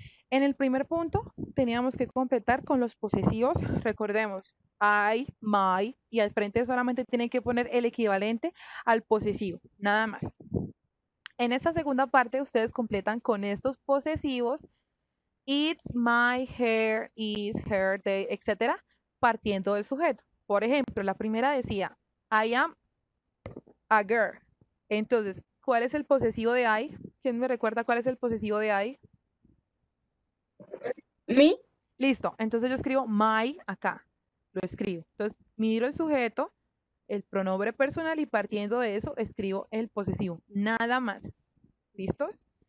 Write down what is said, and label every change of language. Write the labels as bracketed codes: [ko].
[es] En el primer punto, teníamos que completar con los posesivos. Recordemos, I, my, y al frente solamente tienen que poner el equivalente al posesivo, nada más. En esta segunda parte, ustedes completan con estos posesivos. [en] It's my hair, it's her day, etc. [es] Partiendo del sujeto. Por ejemplo, la primera decía, [en] I am a girl. [es] Entonces, ¿cuál es el posesivo de I? ¿Quién me recuerda cuál es el posesivo de I? [en] Me. [es] Listo. Entonces yo escribo my acá. Lo escribo. Entonces, miro el sujeto, el pronombre personal y partiendo de eso, escribo el posesivo. Nada más. ¿Listos?